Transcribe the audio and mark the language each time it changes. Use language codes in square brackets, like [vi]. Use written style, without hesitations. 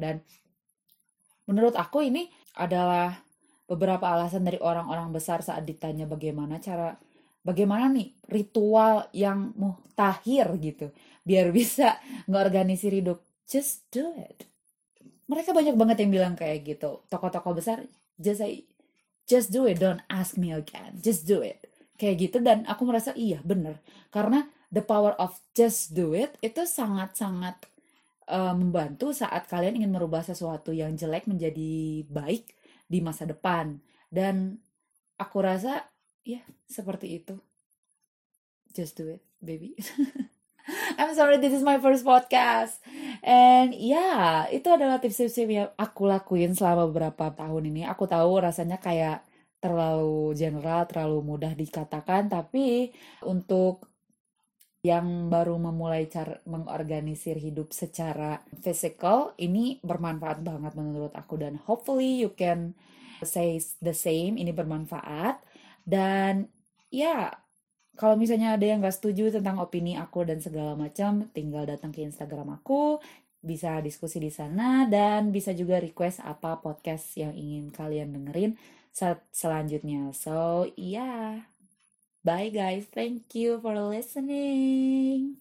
[id] Dan menurut aku ini adalah beberapa alasan dari orang-orang besar saat ditanya bagaimana nih ritual yang mutakhir gitu, biar bisa ngeorganisir hidup. [en] Just do it. [id] Mereka banyak banget yang bilang kayak gitu. Tokoh-tokoh besar, [en] just do it, don't ask me again, just do it. [id] Kayak gitu, dan aku merasa iya, bener. Karena [en] the power of just do it [id] itu sangat-sangat membantu saat kalian ingin merubah sesuatu yang jelek menjadi baik di masa depan. Dan aku rasa, ya, seperti itu. [en] Just do it, baby. I'm sorry, this is my first podcast. And yeah, [id] itu adalah tips-tips yang aku lakuin selama beberapa tahun ini. Aku tahu rasanya kayak terlalu general, terlalu mudah dikatakan, tapi untuk yang baru memulai cara mengorganisir hidup secara physical, ini bermanfaat banget menurut aku, dan [en] hopefully you can say the same, [id] ini bermanfaat. Dan ya, kalau misalnya ada yang gak setuju tentang opini aku dan segala macam, tinggal datang ke Instagram aku, bisa diskusi di sana, dan bisa juga request apa podcast yang ingin kalian dengerin selanjutnya. [en] So, yeah. Bye guys. Thank you for listening.